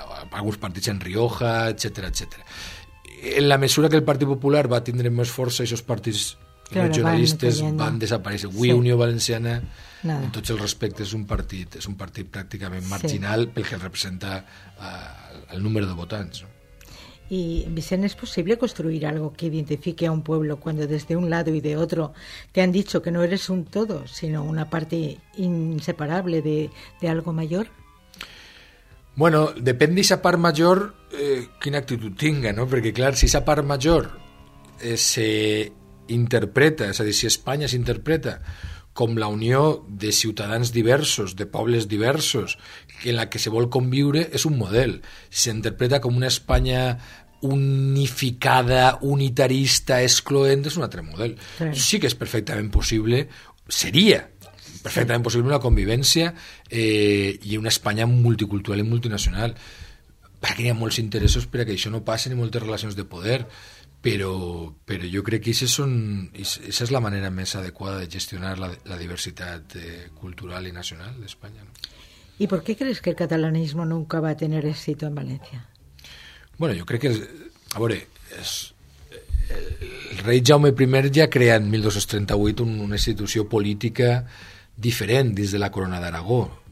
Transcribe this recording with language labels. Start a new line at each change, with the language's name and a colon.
Catalan: Alguns partits en Rioja, etc etc. En la mesura que el Partit Popular va tindre més força, aquests partits regionalistes van desaparèixer. Avui sí. Unió Valenciana, en tots els respectes, és un partit pràcticament marginal, sí. Pel que representa el número de votants.
Spanish: Y Vicent, ¿es posible construir algo que identifique a un pueblo cuando desde un lado y de otro te han dicho que no eres un todo, sino una parte inseparable de algo mayor?
Catalan: Bueno,
Spanish: depende de esa
Catalan: part major quina actitud tinga, ¿no? Perquè clar, si esa part major se interpreta, és a dir, si Espanya s'interpreta com la unió de ciutadans diversos, de pobles diversos, en la que se vol conviure, és un model. S'interpreta com una Espanya unificada, unitarista, excloent, és un altre model. Sí que és perfectament possible, seria perfectament possible una convivència i una Espanya multicultural i multinacional. Perquè hi ha molts interessos perquè això no passi ni moltes relacions de poder. Però jo crec que aquesta és la manera més adequada de gestionar la diversitat cultural i nacional d'Espanya. ¿No?
Spanish: ¿Y por qué crees que el catalanismo nunca va a tener éxito en Valencia? Bueno, yo creo que...
Catalan: A ver, el rei Jaume I ja crea en 1238 una institució política diferent dins de la corona d'Aragó.